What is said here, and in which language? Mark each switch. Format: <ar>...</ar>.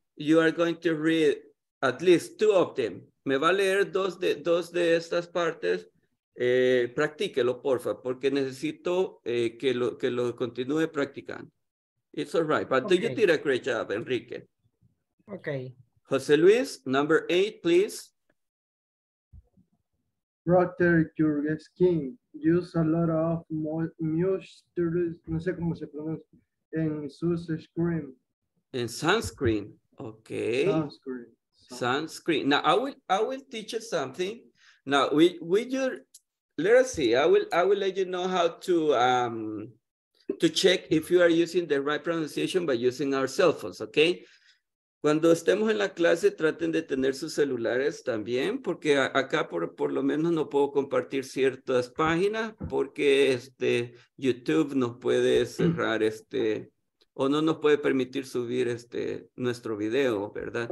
<en>you are going to read at least two of them.</en> <es>Me va a leer dos de estas partes. Practíquelo, porfa, porque necesito que lo continúe practicando.</es> <en>It's all right, but okay. Do you did a great job, Enrique. Okay. Jose Luis, number 8, please. Brother, your skin use a lot of moisturizers,</en> <es>no sé cómo se pronuncia, en</es> <en>sunscreen. En sunscreen, okay. Sunscreen. Now, I will teach you something. Now, let us see. I will let you know how to check if you are using the right pronunciation by using our cell phones, okay?</en> <es>Cuando estemos en la clase, traten de tener sus celulares también, porque acá por lo menos no puedo compartir ciertas páginas, porque YouTube nos puede cerrar o no nos puede permitir subir nuestro video, ¿verdad?</es>